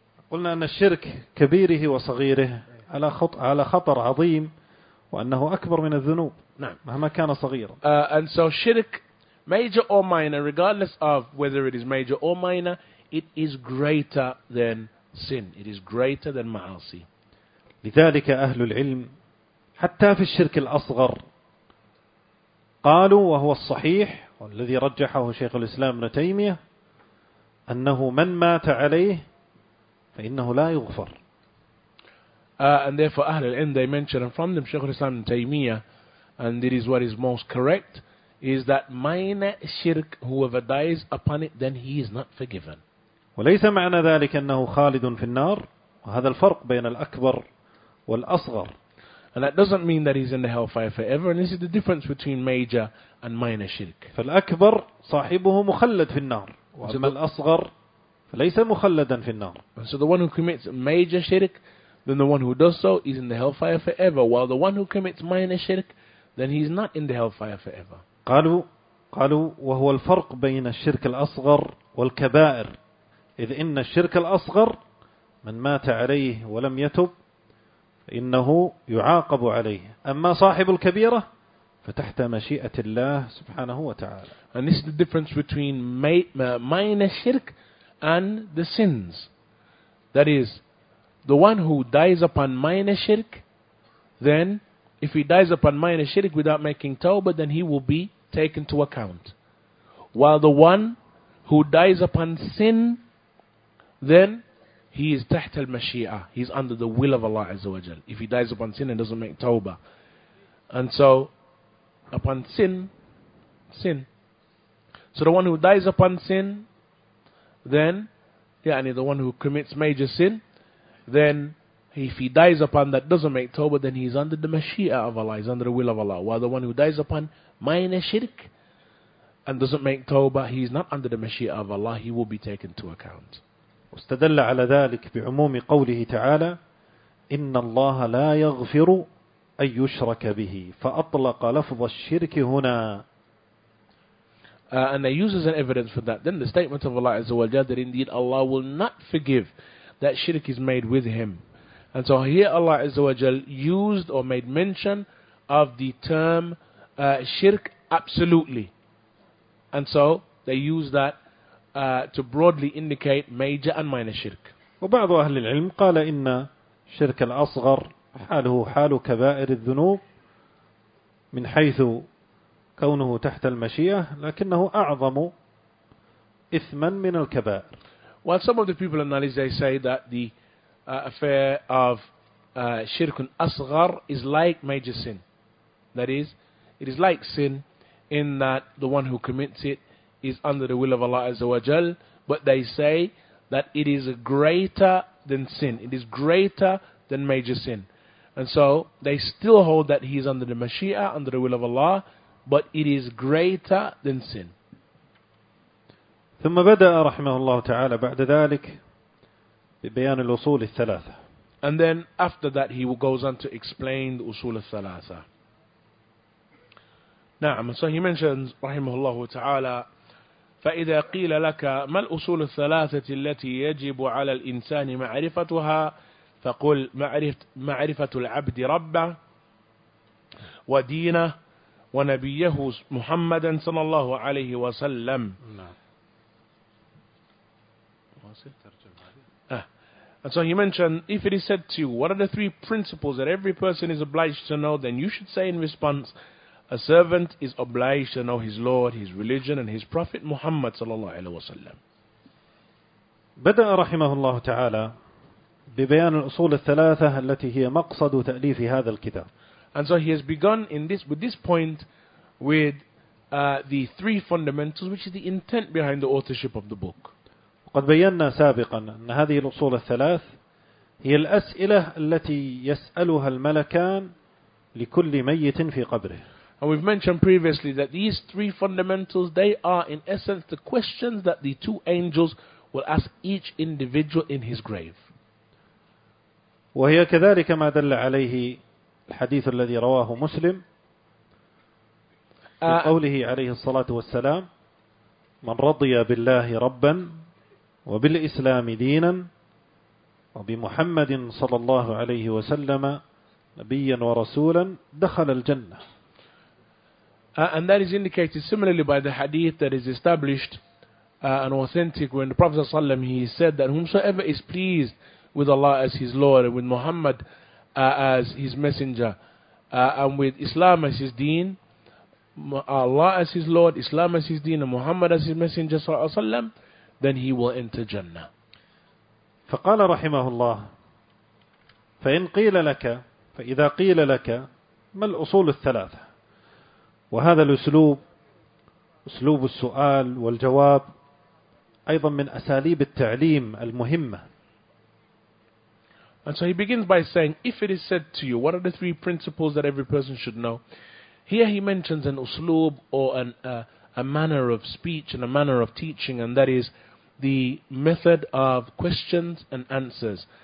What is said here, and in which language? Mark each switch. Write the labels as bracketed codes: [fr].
[ar] قلنا أن الشرك كبيره وصغيره على خطر عظيم وأنه أكبر من الذنوب. نعم. مهما كان صغيرا. [en] And so shirk, major or minor, regardless of whether it is major or minor, it is greater than sin. It is greater than ma'asi. [ar] لذلك أهل العلم حتى في الشرك الأصغر قالوا, وهو الصحيح والذي رجحه شيخ الإسلام ابن تيمية, أنه من مات عليه فإنه لا يغفر. [en] And therefore [ar] أهل العلم, [en] they mention, and from them شيخ الإسلام ابن تيمية, and it is what is most correct, is that minor shirk, whoever dies upon it, then he is not forgiven. [ar] وليس معنى ذلك أنه خالد في النار, وهذا الفرق بين الأكبر والأصغر. [en] And that doesn't mean that he's in the hellfire forever. And this is the difference between major and minor shirk. [ar] فالأكبر صاحبه مخلد في النار, وأما الأصغر فليس مخلدا في النار. [en] And so the one who commits major shirk, then the one who does so is in the hellfire forever, while the one who commits minor shirk, then he's not in the hellfire forever. [ar] قالوا وهو الفرق بين الشرك الأصغر والكبائر, إذ إن الشرك الأصغر من مات عليه ولم يتب إنه يعاقب عليه, أما صاحب الكبيرة فتحت مشيئة الله سبحانه وتعالى. [en] And this is the difference between minor shirk and the sins. That is, the one who dies upon minor shirk, then if he dies upon minor shirk without making tawbah, then he will be taken to account. While the one who dies upon sin, then he is [ar] تحت المشيئة. [en] He's under the will of Allah Azza wa Jal. If he dies upon sin and doesn't make tawbah. And so, upon sin. So the one who dies upon sin, then, the one who commits major sin, then if he dies upon that, doesn't make tawbah, then he's under the mashia of Allah, he's under the will of Allah. While the one who dies upon minor shirk and doesn't make tawbah, he's not under the mashia of Allah, he will be taken to account. [ar] واستدل على ذلك بعموم قوله تعالى إن الله لا يغفر أن يشرك به, فأطلق لفظ الشرك هنا. [en] And they use as an evidence for that then the statement of Allah Azza wa Jalla that indeed Allah will not forgive that shirk is made with him. And so here Allah Azza wa Jalla used or made mention of the term shirk absolutely. And so they use that to broadly indicate major and minor shirk. [ar] وبعض أهل العلم قال إن شرك الأصغر حاله حال كبائر الذنوب من حيث كونه تحت المشيئة, لكنه أعظم إثما من الكبائر. [en] While some of the people in knowledge, they say that the affair of shirk asghar is like major sin. That is, it is like sin in that the one who commits it is under the will of Allah Azza wa Jal, but they say that it is greater than sin. It is greater than major sin. And so they still hold that he is under the mashia, under the will of Allah, but it is greater than sin. [ar] ثم بدأ رحمه الله تعالى بعد ذلك ببيان الأصول الثلاثة. [en] And then after that he goes on to explain the [ar] أصول الثلاثة. نعم. [en] So he mentions [ar] رحمه الله تعالى, فإذا قيل لك ما الأصول الثلاثة التي يجب على الإنسان معرفتها, فقل معرفة العبد ربه ودينه ونبيه محمدا صلى الله عليه وسلم. [en] And so he mentioned, if it is said to you, what are the three principles that every person is obliged to know, then you should say in response, a servant is obliged to know his Lord, his religion, and his Prophet Muhammad صلى الله عليه وسلم. [ar] بدأ رحمه الله تعالى ببيان الأصول الثلاثة التي هي مقصد تأليف هذا الكتاب. [en] And so he has begun with this point with the three fundamentals, which is the intent behind the authorship of the book. [ar] قد بينا سابقا أن هذه الأصول الثلاث هي الأسئلة التي يسألها الملكان لكل ميت في قبره. [en] And we've mentioned previously that these three fundamentals, they are in essence the questions that the two angels will ask each individual in his grave. [ar] وهي كذلك ما دل عليه الحديث الذي رواه مسلم بقوله عليه الصلاة والسلام من رضي بالله ربا وبالإسلام دينا وبمحمد صلى الله عليه وسلم نبيا ورسولا دخل الجنة. [en] And that is indicated similarly by the hadith that is established and authentic when the Prophet ﷺ, he said that whomsoever is pleased with Allah as his Lord and with Muhammad as his messenger and with Islam as his deen, Allah as his Lord, Islam as his deen, and Muhammad as his messenger ﷺ, then he will enter Jannah. [ar] فقال رحمه الله فإن قيل لك فإذا قيل لك ما الأصول الثلاثة وهذا الأسلوب أسلوب السؤال والجواب أيضا من أساليب التعليم المهمة. [en] And so he begins by saying, if it is said to you, what are the three principles that every person should know? Here he mentions an usloob or a manner of speech and a manner of teaching, and that is the method of questions and answers.